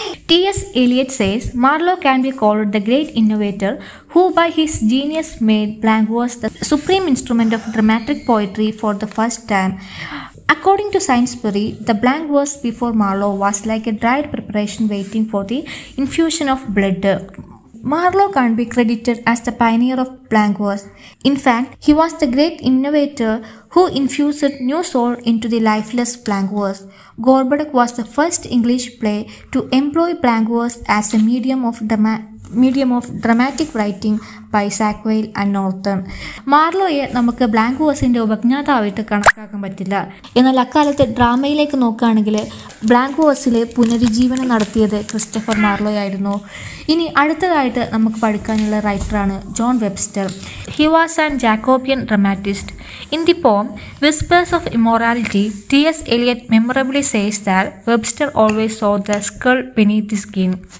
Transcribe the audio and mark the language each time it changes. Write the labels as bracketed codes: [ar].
[en] T S Eliot says Marlowe can be called the great innovator who by his genius made blank verse the supreme instrument of dramatic poetry for the first time. According to Saintsbury the blank verse before Marlowe was like a dried preparation waiting for the infusion of blood. Marlowe can't be credited as the pioneer of blank verse. In fact, he was the great innovator who infused new soul into the lifeless blank verse. Gorbadak was the first English play to employ blank verse as a medium of dramatic writing by Sackville and Norton. [ml] മാർലോയെ നമുക്ക് blank വേഴ്സിൻ്റെ ഉപജ്ഞാതാവായിട്ട് കണക്കാക്കാൻ പറ്റില്ല. എന്നാൽ അക്കാലത്ത് ഡ്രാമയിലേക്ക് നോക്കുകയാണെങ്കിൽ blank വേഴ്സിലെ പുനരുജ്ജീവനം നടത്തിയത് Christopher മാർലോയായിരുന്നു. ഇനി അടുത്തതായിട്ട് നമുക്ക് പഠിക്കാനുള്ള റൈറ്ററാണ് John Webster. [en] He was an Jacobean dramatist. In the poem Whispers of Immorality T S Eliot memorably says that Webster always saw the skull beneath the skin.